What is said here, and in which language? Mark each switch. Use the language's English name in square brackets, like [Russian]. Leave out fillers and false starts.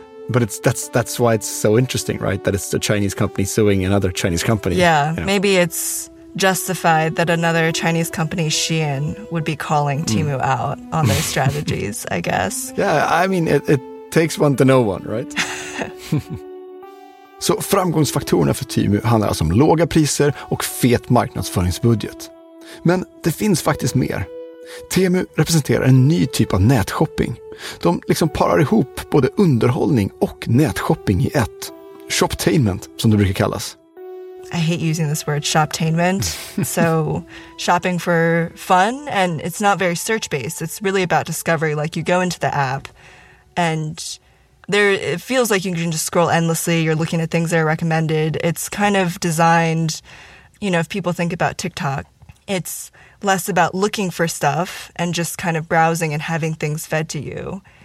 [English] But that's why it's so interesting, right? That it's a Chinese company suing another Chinese company. Yeah, you know. Maybe it's justified that another Chinese company, Shein, would be calling Temu out on their strategies, I guess. Yeah, I mean, it takes one to know one, right? [Swedish] Så framgångsfaktorerna för Temu handlar alltså om låga priser och fet marknadsföringsbudget. Men det finns faktiskt mer. Temu representerar en ny typ av nätshopping. De liksom parar ihop både underhållning och nätshopping i ett. Shoptainment, som det brukar kallas. [English] I hate using this word, shoptainment. So, shopping for fun, and it's not very search-based. It's really about discovery. Like, you go into the app, and there it feels like you can just scroll endlessly. You're looking at things that are recommended. It's kind of designed, you know, if people think about TikTok, it's less about looking for stuff and just kind of browsing and having things fed to you.